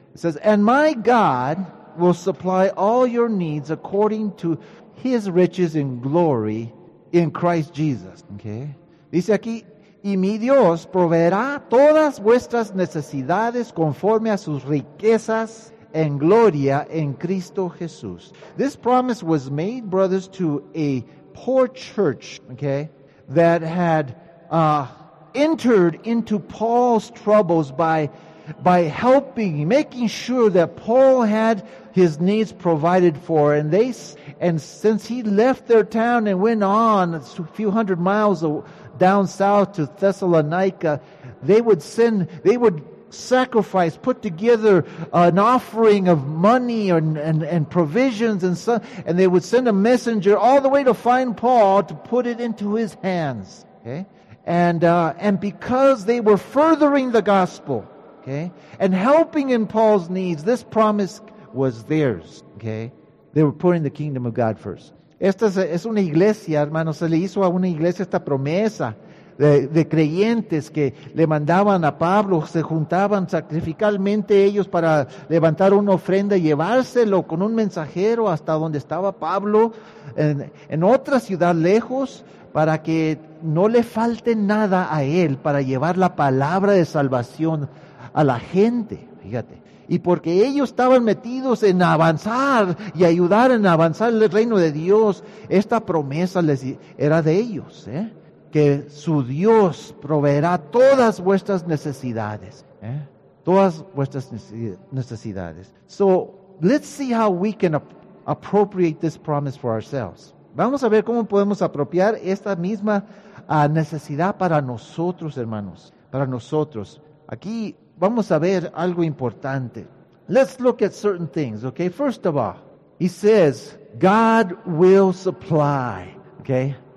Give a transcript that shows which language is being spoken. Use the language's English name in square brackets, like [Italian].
[English] It says, "And my God will supply all your needs according to His riches in glory in Christ Jesus." Okay. [Spanish] Dice aquí, y mi Dios proveerá todas vuestras necesidades conforme a sus riquezas en gloria en Cristo Jesús. [English] This promise was made, brothers, to a poor church, okay, that had entered into Paul's troubles by helping, making sure that Paul had his needs provided for. And since he left their town and went on a few hundred miles down south to Thessalonica, they would sacrifice, put together an offering of money and provisions, and they would send a messenger all the way to find Paul to put it into his hands. Okay? And because they were furthering the gospel, okay, and helping in Paul's needs, this promise was theirs. Okay, they were putting the kingdom of God first. [Spanish] Esta es una iglesia, hermanos. Se le hizo a una iglesia esta promesa de creyentes que le mandaban a Pablo, se juntaban sacrificalmente ellos para levantar una ofrenda y llevárselo con un mensajero hasta donde estaba Pablo en otra ciudad lejos, para que no le falte nada a él para llevar la palabra de salvación a la gente, fíjate. Y porque ellos estaban metidos en avanzar y ayudar en avanzar el reino de Dios, esta promesa les era de ellos, ¿eh? Que su Dios proveerá todas vuestras necesidades, ¿eh? Todas vuestras necesidades. [English] So, let's see how we can appropriate this promise for ourselves. [Spanish] Vamos a ver cómo podemos apropiar esta misma necesidad para nosotros, hermanos, para nosotros. Aquí vamos a ver algo importante. [English] Let's look at certain things, okay? First of all, he says, God will supply, okay?